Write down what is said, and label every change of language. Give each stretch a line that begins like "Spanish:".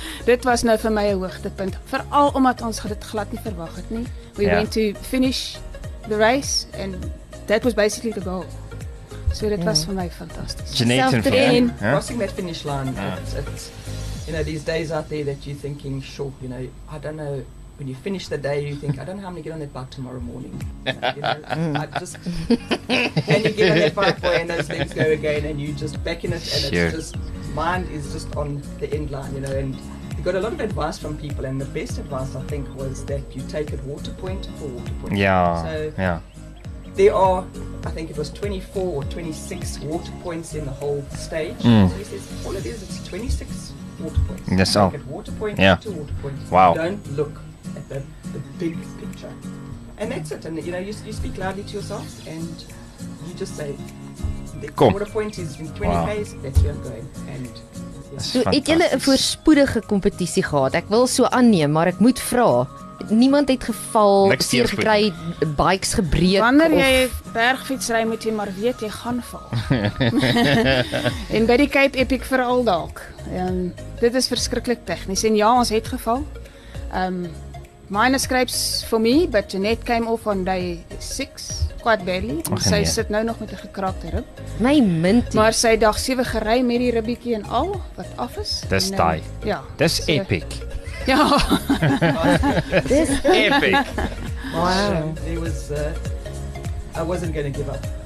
Afrikaans: Dit was nou vir my 'n hoogtepunt, vooral omdat ons dit glad nie verwag het nie.
English: We went to finish the race and that was basically the goal.
Afrikaans: So dit was vir my fantastisch. Jeanette
English: and Fran. Crossing that finish line, it's, you know, these days out there that you're thinking, sure, you know, I don't know, when you finish the day, you think, I don't know how I'm going to get on that bike tomorrow morning. You know, I just, and you get on that bike and those things go again and you just back in it and it's just, mind is just on the end line, you know, and you got a lot of advice from people, and the best advice I think was that you take it water point for water point. Yeah. So there are, I think it was 24 or 26 water points in the whole stage. So he says, all it is, it's 26 water points. Yes, so take it water point to water point. Wow. Don't look at the big picture. And that's it. And you know, you speak loudly to yourself, and you just say, the water point is in 20 k's, that's where I'm going. And
Afrikaans: so, het julle 'n voorspoedige kompetisie gehad? Ek wil so aanneem, maar ek moet vra. Niemand het geval, seer gekry, bikes gebreek. Wanneer jy bergfiets ry, moet jy maar weet, jy gaan val. En by die Cape Epic veral dalk. Dit is verskriklik tegnies. En ja, ons het geval.
English: Mine scrapes for me, but Jeanette came off on day 6. Quite badly.
Afrikaans: Sy sit nou nog met 'n gekrakte rib. My mintie. Maar sy dag 7 gery met die ribbietjie en al wat af is. Dis taai. Ja. Dis so epic. Ja. Dis epic. Wow.
English: So, it was I wasn't going to give up.